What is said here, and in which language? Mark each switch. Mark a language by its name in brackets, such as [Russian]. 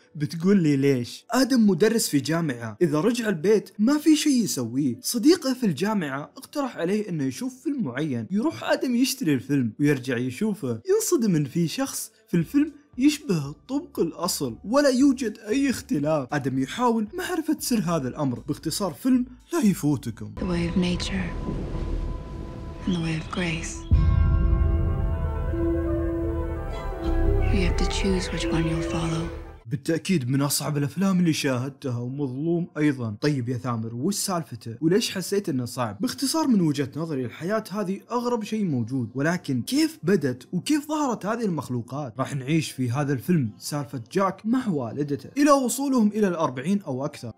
[Arabic] بتقول لي ليش؟ آدم مدرس في جامعة، إذا رجع البيت ما في شيء يسويه. صديقه في الجامعة اقترح عليه أنه يشوف فيلم معين. يروح آدم يشتري الفيلم ويرجع يشوفه، ينصدم أن في شخص في الفيلم يشبه طبق الأصل ولا يوجد أي اختلاف. آدم يحاول معرفة سر هذا الأمر. باختصار فيلم لا يفوتكم. [English] The way of nature and the way of grace. You have to choose which one you'll follow. [Arabic] بالتأكيد من أصعب الأفلام اللي شاهدتها ومظلوم أيضا. طيب يا ثامر وش سالفته وليش حسيت أنه صعب؟ باختصار من وجهة نظري الحياة هذه أغرب شيء موجود، ولكن كيف بدت وكيف ظهرت هذه المخلوقات؟ راح نعيش في هذا الفيلم سالفة جاك مع والدته إلى وصولهم إلى 40 أو أكثر.